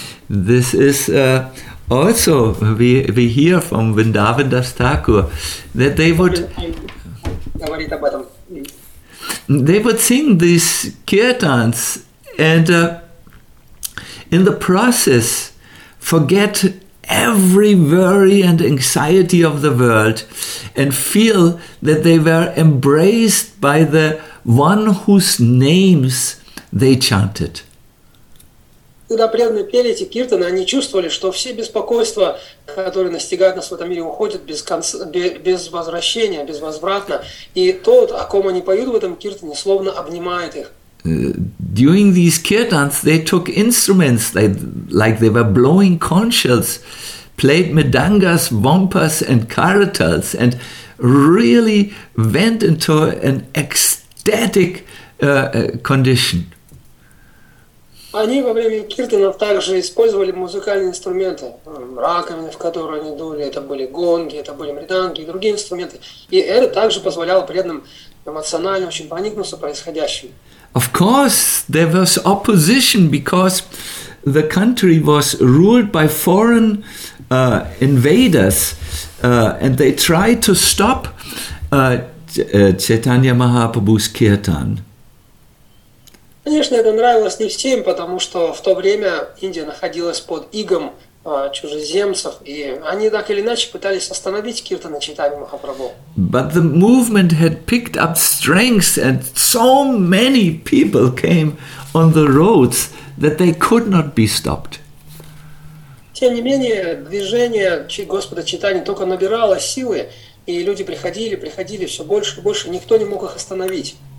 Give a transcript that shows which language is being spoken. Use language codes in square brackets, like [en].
[en] This is also, we hear from Vrindavan Das Thakur that they would sing these kirtans and in the process forget every worry and anxiety of the world and feel that they were embraced by the one whose names they chanted. [ru] Когда преданные пели эти киртаны, они чувствовали, что все беспокойства, которые настигают нас в этом мире, уходят без конца, без возвращения, безвозвратно. И тот, о ком они поют в этом киртане, словно обнимает их. [en] During these kirtans, they took instruments, like they were blowing conchas, played madangas, bompas, and karatas, and really went into an ecstatic condition. [ru] Они во время киртанов также использовали музыкальные инструменты, раковины, в которые они дули, это были гонги, это были мриданги и другие инструменты. И это также позволяло преданным эмоционально очень проникнуться происходящим. [en] Of course, there was opposition because the country was ruled by foreign invaders and they tried to stop Chaitanya Mahaprabhu's kirtan. [ru] Конечно, это нравилось не всем, потому что в то время Индия находилась под игом чужеземцев, и они так или иначе пытались остановить киртаны Чайтаньи Махапрабху. [en] But the movement had picked up strength, and so many people came on the roads that they could not be stopped. [ru] Тем не менее, движение Господа Чайтаньи только набирало силы, и люди приходили, приходили все больше и больше, никто не мог их остановить.